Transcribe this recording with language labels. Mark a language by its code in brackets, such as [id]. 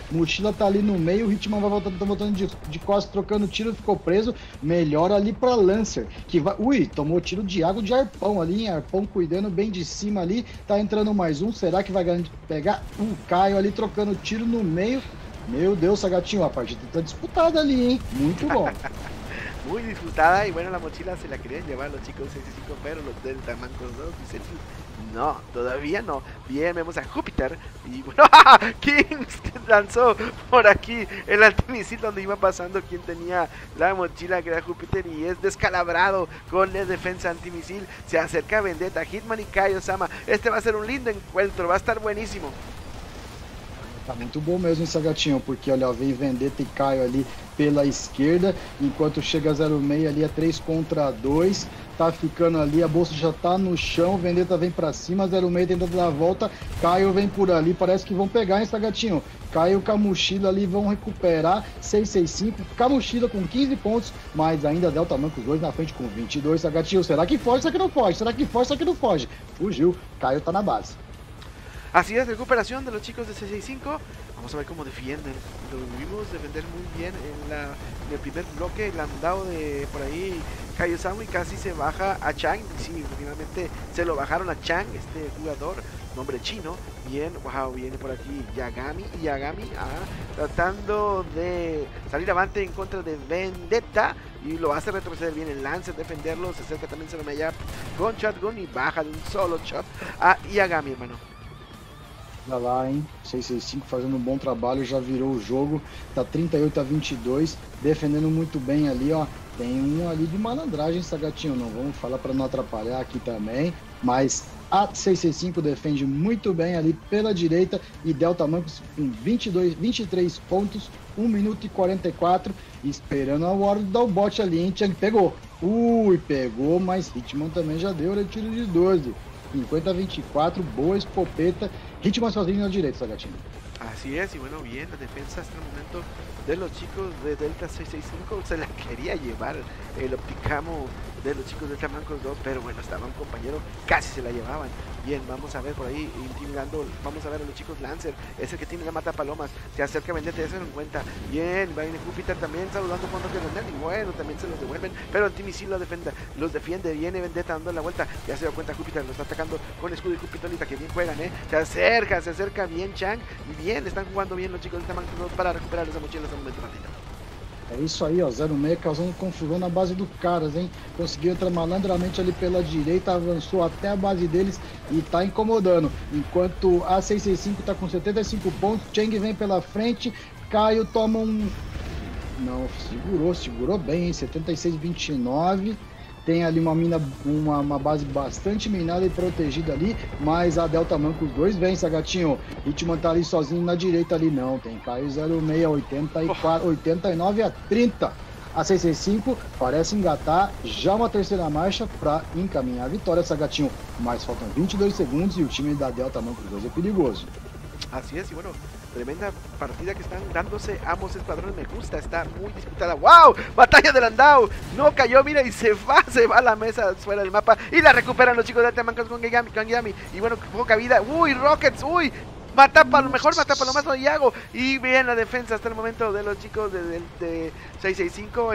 [pt] Mochila tá ali no meio, o Hitman vai voltando de costas, trocando tiro, ficou preso. Melhor ali pra Lancer, que vai... Ui, tomou tiro de água de arpão ali, hein? Arpão cuidando bem de cima ali. Tá entrando mais um, será que vai pegar? O Caio ali trocando tiro no meio. Meu Deus, Sagatinho, a partida tá disputada ali, hein? Muito bom. [es] Muy disfrutada, y bueno, la mochila se la querían llevar los chicos 65, pero los Delta Mancos 2 dicen, no, todavía no. Bien, vemos a Júpiter, y bueno, ¡ah! Kings lanzó por aquí el altimisil donde iba pasando quien tenía la mochila, que era Júpiter, y es descalabrado con la defensa antimisil. Se acerca Vendetta, Hitman y Kaiosama. Este va a ser un lindo encuentro, va a estar buenísimo. [pt] Tá muito bom mesmo esse gatinho, porque olha, vem Vendetta e Caio ali pela esquerda, enquanto chega 06 ali, é 3 contra 2, tá ficando ali, a bolsa já tá no chão, Vendetta vem pra cima, 06 tenta dar a volta, Caio vem por ali, parece que vão pegar esse gatinho, Caio com a mochila ali, vão recuperar, 665, com a mochila com 15 pontos, mas ainda Delta Manco 2 na frente com 22, esse gatinho, será que foge, será que não foge, será que foge, será que não foge, fugiu, Caio tá na base. [es] Así es, recuperación de los chicos de C65. Vamos a ver cómo defienden. Lo vimos defender muy bien en el primer bloque, el andado de por ahí Kaiosama, y casi se baja a Chang. Sí, finalmente se lo bajaron a Chang, este jugador, nombre chino. Bien, wow, viene por aquí Yagami, tratando de salir avante en contra de Vendetta. Y lo hace retroceder bien el Lancer, defenderlo. Se acerca también Zeromeya con Shotgun y baja de un solo shot a Yagami, hermano. [pt] Olha lá, hein? 665 fazendo um bom trabalho, já virou o jogo, tá 38 a 22, defendendo muito bem ali, ó. Tem um ali de malandragem, Sagatinho, não vamos falar pra não atrapalhar aqui também, mas a 665 defende muito bem ali pela direita, e Delta Mancos com 23 pontos, 1 minuto e 44, esperando a hora do Dalbot ali, hein? Chang pegou, pegou, mas Hitman também já deu, ele tiro de 12, 50 a 24, boa escopeta. Hitman sozinho no direito, Sagatinho. [es] Así es, y bueno, bien, la defensa hasta el momento de los chicos de Delta 665, se la quería llevar el Opticamo de los chicos de Delta Mancos 2, pero bueno, estaba un compañero, casi se la llevaban. Bien, vamos a ver por ahí, intimidando, vamos a ver a los chicos Lancer, es el que tiene la mata palomas, se acerca Vendetta, ya se dan cuenta. Bien, va en Júpiter también, saludando con Roger Vendetta, y bueno, también se los devuelven, pero Antimisil los defiende, viene Vendetta dando la vuelta, ya se dio cuenta Júpiter, lo está atacando con escudo y Júpiterita, que bien juegan, se acerca bien Chang, y bien, están jugando bien los chicos de Delta Mancos 2 para recuperar esa mochila. Un momento, [pt] É isso aí, ó. 06 causando confusão na base do Caras, hein? Conseguiu entrar malandramente ali pela direita, avançou até a base deles e tá incomodando. Enquanto a 665 tá com 75 pontos, Cheng vem pela frente, Caio toma um... Não, segurou bem, hein? 76-29. Tem ali uma mina, uma base bastante minada e protegida ali, mas a Delta Manco, os dois vencem, gatinho. Hitman tá ali sozinho na direita ali, não. Tem Caio 06, 84, 89 a 30. A 65 parece engatar já uma terceira marcha para encaminhar a vitória, Sagatinho. Mas faltam 22 segundos e o time da Delta Manco, os dois, é perigoso. Assim é, sim, mano. [es] Tremenda partida que están dándose ambos escuadrones. Me gusta, está muy disputada. ¡Wow! Batalla del Andao. No cayó, mira, y se va a la mesa fuera del mapa. Y la recuperan los chicos de Altamancos con Gigami, Y bueno, poca vida. ¡Uy, Rockets! ¡Uy! Mata para lo más, no Iago. Y bien la defensa hasta el momento de los chicos de 665.